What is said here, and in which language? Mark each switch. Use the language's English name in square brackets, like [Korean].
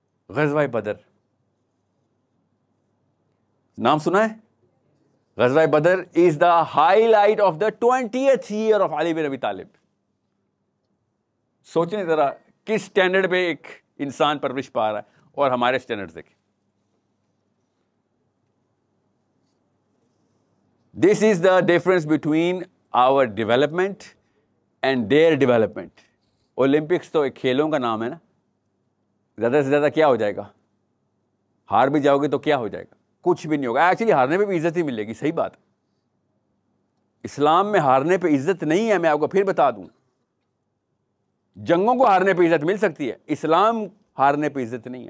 [English] غزوہ بدر, [Urdu] نام سنا ہے [English] غزوہ Badr, is the highlight of the 20th year of Ali bin Abi Talib. [Urdu] سوچنے ذرا کس سٹینڈرڈ پہ ایک انسان پرورش پا رہا ہے, اور ہمارے سٹینڈرڈ دیکھیں. [English] This is the difference between our development and their development. [Urdu] Olympics تو ایک کھیلوں کا نام ہے نا, زیادہ سے زیادہ کیا ہو جائے گا, ہار بھی جاؤ گے تو کیا ہو جائے گا, کچھ بھی نہیں ہوگا. ایکچولی ہارنے پہ بھی عزت ہی ملے گی. صحیح بات, اسلام میں ہارنے پہ عزت نہیں ہے. میں آپ کو پھر بتا دوں, جنگوں کو ہارنے پہ عزت مل سکتی ہے, اسلام ہارنے پہ عزت نہیں ہے.